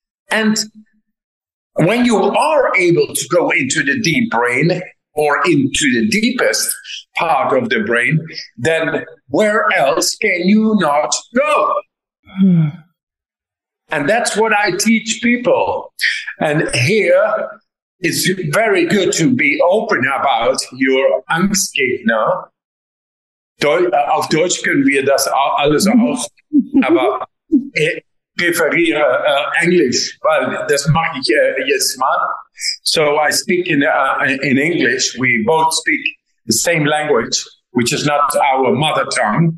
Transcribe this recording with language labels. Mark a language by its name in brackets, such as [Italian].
[English] And when you are able to go into the deep brain or into the deepest part of the brain, then where else can you not go? And that's what I teach people. And here, it's very good to be open about your Angstgegner. [German] Auf Deutsch können wir das alles auch, aber ich präferiere Englisch, weil das mache ich jetzt mal. [English] So I speak in English. We both speak the same language, which is not our mother tongue.